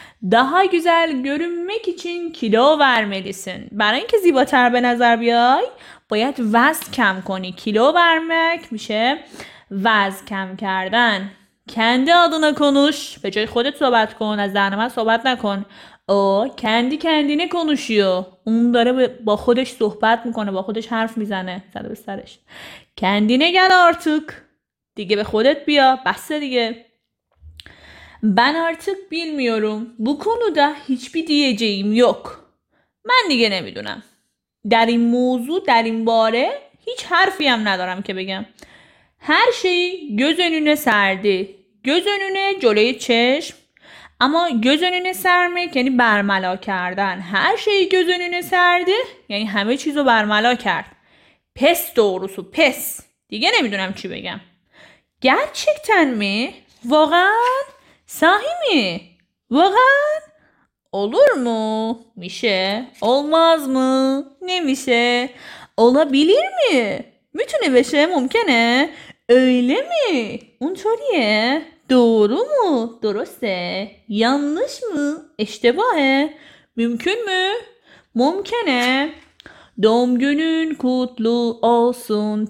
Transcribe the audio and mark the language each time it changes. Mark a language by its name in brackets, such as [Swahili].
[Turkish] Daha güzel görünmek için kilo vermelisin. [Persian] برای اینکه زیباتر به نظر بیای باید وزن کم کنی. کیلو vermek میشه وزن کم کردن. [Turkish] Kendi adına konuş. [Persian] به جای خودت صحبت کن. از دهن من صحبت نکن. [Turkish] او kendi kendine konuşuyor. [Persian] اون داره با خودش صحبت میکنه. با خودش حرف میزنه. زده به سرش. [Turkish] Kendine gel artık. [Persian] دیگه به خودت بیا. بسه دیگه. [Turkish] Ben artık bilmiyorum. Bu konuda hiçbir diyeceğim yok. [Persian] من دیگه نمیدونم. در این موضوع، در این باره هیچ حرفی هم ندارم که بگم. [Turkish] هر شی göz önüne serdi. [Persian] Göz önüne جلوی چشم. اما göz önüne sermek یعنی برملا کردن. [Turkish] هر شی göz önüne serdi [Persian] یعنی همه چیزو برملا کرد. [Turkish] Pes doğrusu pes. [Persian] دیگه نمیدونم چی بگم. [Turkish] Gerçekten mi? [Persian] واقعا؟ صحیح می؟ واقعا؟ [Turkish] olur mu? میشه؟ olmaz mı? نمیشه؟ olabilir mi? [Persian] میتونه بشه؟ ممکنه؟ [Turkish] öyle mi? اونطوریه؟ doğru mu? درسته؟ yanlış mı? [Persian] اشتباهه؟ ممکن mü? [Turkish] ممکنه؟ doğum günün kutlu olsun.